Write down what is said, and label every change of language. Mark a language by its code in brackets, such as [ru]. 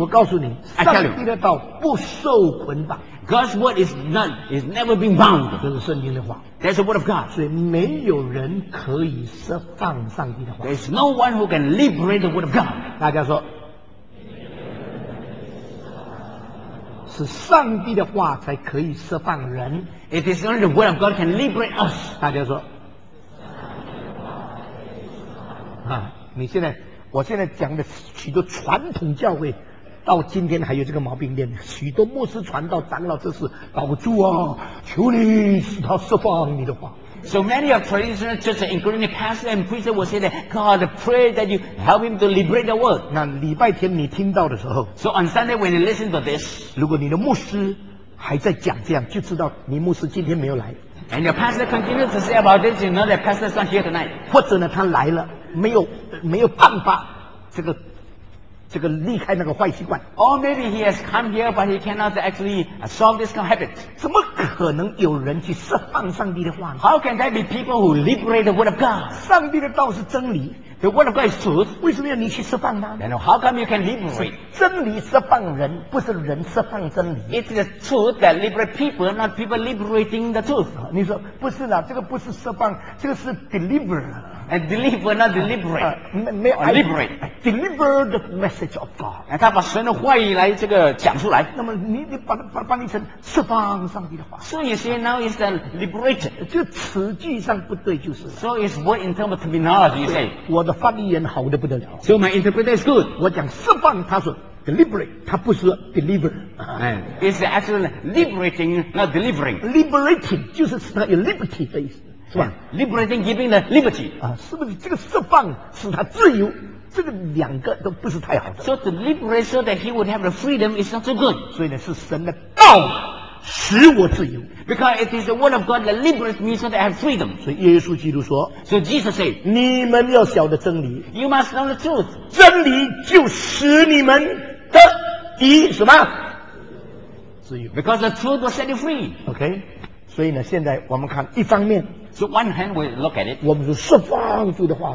[zh] 我告诉你，上帝的道不受捆绑。 [en] God's word is none, is never been bound. [zh] 这是圣经的话。 [en] That's the word of God. [zh] 所以没有人可以释放上帝的话。 [en] There's no one who can liberate the word of God. [zh] 大家说，是上帝的话才可以释放人。 [en] It is only the word of God can liberate us. [zh] 大家说，你现在，我现在讲的许多传统教会。到今天还有这个毛病念，许多牧师传道长老这是保住啊，求你使他释放你的话。 [en] So many of traditional churches, including the pastor and preacher, will say that God pray that you help him to liberate the word. [zh] 那礼拜天你听到的时候 [en] ，So on Sunday when you listen to this, [zh] 如果你的牧师还在讲这样，就知道你牧师今天没有来。 [en] And your pastor continues to say about this, you know that pastor is not here tonight. [zh] 或者呢，他来了，没有办法，这个离开那个坏习惯。 [en] Or maybe he has come here, but he cannot actually solve this kind of habit. [zh] 怎么可能有人去释放上帝的话呢 [en] ？How can there be people who liberate the word of God? [zh] 上帝的道是真理 [en] ，the word of God is truth. [zh] 为什么要你去释放呢 [en] ？Then how come you can liberate? [zh] 真理释放人，不是人释放真理。 [en] It's the truth that liberate people, not people liberating the truth. [zh] 你说不是啦，这个不是释放，这个是 deliver。 [en] And deliver, not deliberate. Liberate. Deliver the message of God. [zh] 他把神的话语来这个讲出来。那么你把它翻译成释放上帝的话。 [en] So you see, now is the liberator. [zh] 就词句上不对就是。 [en] So it's word in terms of terminology, you say. [zh] 我的翻译员好得不得了。 [en] So my interpreter is good. [zh] 我讲释放，他说 deliberate, 他不是 deliver. [en] It's actually liberating, not delivering. [zh] Liberating, 就是使他有 liberty 的意思。是吧 [en] ？Liberating, giving the liberty [zh] 啊，是不是这个释放使他自由？这个两个都不是太好的。 [en] So to liberate so that he would have the freedom is not so good. [zh] 所以呢，是神的道使我自由。 [en] Because it is the word of God that liberates me so that I have freedom. [zh] 所以耶稣基督说 [en] ，So Jesus said, [zh] 你们要晓得真理。 [en] You must know the truth. [zh] 真理就使你们得以什么自由 [en] ？Because the truth will set you free. Okay. [zh] 所以呢，现在我们看一方面。 [en] So one hand we look at it. [zh] 我们是释放主的话。